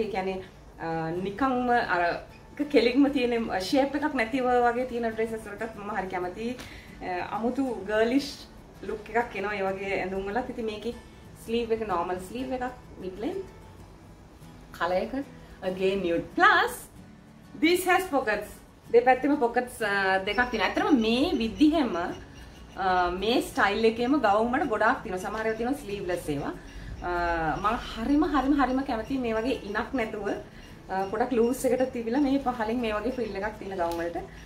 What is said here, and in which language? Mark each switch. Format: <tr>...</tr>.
<si>ඒ කියන්නේ නිකන්ම අර කෙලින්ම තියෙන ෂේප් එකක් නැතිව වගේ තියෙන ඩ්‍රෙසස් වලටත් මම හරි කැමති. අමුතු ගර්ලිෂ් ලුක් එකක් එනවා ඒ වගේ ඇඳුම් වලත්. ඉතින් මේකේ ස්ලීව් එක නෝමල් ස්ලීව් එකක් මිඩ් ලෙන්ත් කලර් එක.</si> <en>again nude plus this has pockets.</en> <si>දෙපැත්තෙම pockets දෙකක් තියෙනවා. අතරම මේ විදිහෙම මේ ස්ටයිල් එකේම ගවුම් වල ගොඩාක් තියෙනවා. සමහර ඒවා තියෙනවා ස්ලීව්ලස් ඒවා. මම හරිම හරිම හරිම කැමති මේ වගේ ඉනක් නැතුව පොඩක් ලූස් එකට තිබිලා මේ පහලින් මේ වගේ ෆ්‍රිල් එකක් තියෙන ගවුම් වලට.</si>